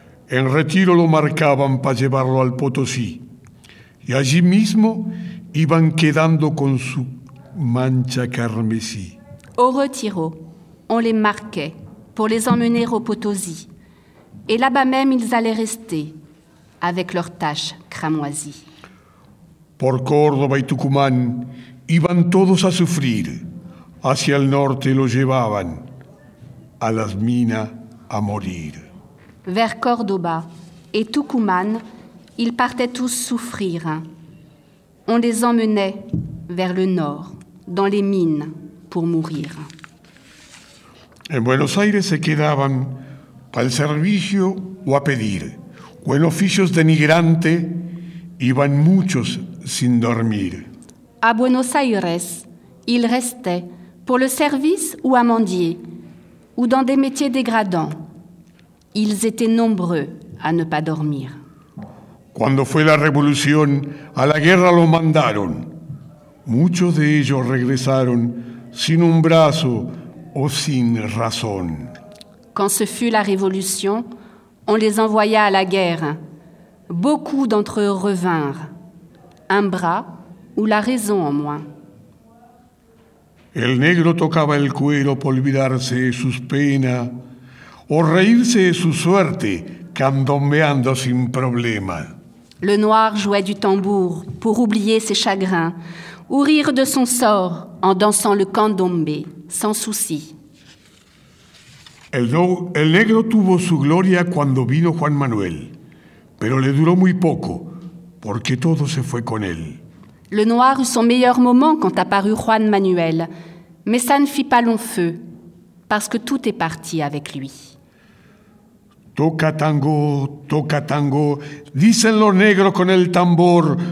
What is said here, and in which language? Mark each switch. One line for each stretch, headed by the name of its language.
Spanish: En retiro lo marcaban para llevarlo al Potosí. Y allí mismo iban quedando con su mancha carmesí.
French: Au retiro. On les marquait pour les emmener au Potosí. Et là-bas même, ils allaient rester avec leurs taches cramoisies.
Spanish: Por Córdoba y Tucumán, iban todos a sufrir. Hacia el norte lo llevaban a las minas a morir.
French: Vers Córdoba et Tucumán, ils partaient tous souffrir. On les emmenait vers le nord, dans les mines, pour mourir.
Spanish: En Buenos Aires se quedaban para el servicio o a pedir. O en oficios denigrante iban muchos sin dormir.
French: A Buenos Aires, ils restaient pour le service ou à mendier, ou dans des métiers dégradants. Ils étaient nombreux à ne pas dormir.
Spanish: Cuando fue la revolución, a la guerra lo mandaron. Muchos de ellos regresaron sin un brazo,
French: aussi une raison. Quand ce fut la révolution, on les envoya à la guerre. Beaucoup d'entre eux revinrent, un bras ou la raison en moins.
Spanish: El negro tocaba el cuero por olvidarse de sus penas o reírse de su suerte, candombeando sin problema.
French: Le noir jouait du tambour pour oublier ses chagrins ou rire de son sort en dansant le candombe. Sans souci.
Spanish: El negro tuvo su gloria cuando vino Juan Manuel, pero le duró muy poco, porque todo se fue con él.
French: Le noir eut son meilleur moment quand apparut Juan Manuel. Mais ça ne fit pas long feu, parce que tout est parti avec lui.
Spanish: Toca tango, toca tango, dicen los negros con el tambor.